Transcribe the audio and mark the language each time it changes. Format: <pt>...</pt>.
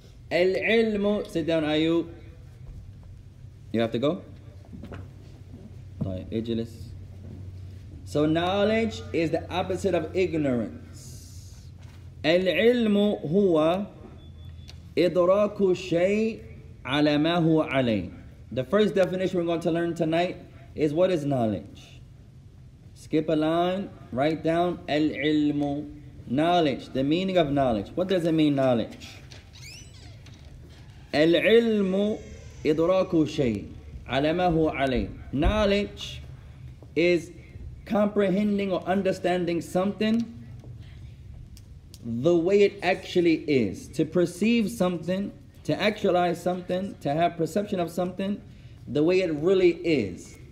<en>العلم, sit down Ayub. You have to go?</en> <ar>طيب اجلس.</ar> <en>So knowledge is the opposite of ignorance.</en> <ar>العلم هو إدراك الشيء على ما هو عليه.</ar> <en>The first definition we're going to learn tonight is what is knowledge. Skip a line, write down العلم. Knowledge, the meaning of knowledge. What does it mean, knowledge?</en> <ar>العلم إدراك الشيء على ما هو عليه.</ar> <en>Knowledge is comprehending or understanding something the way it actually is. To perceive something, to actualize something, to have perception of something the way it really is.</en>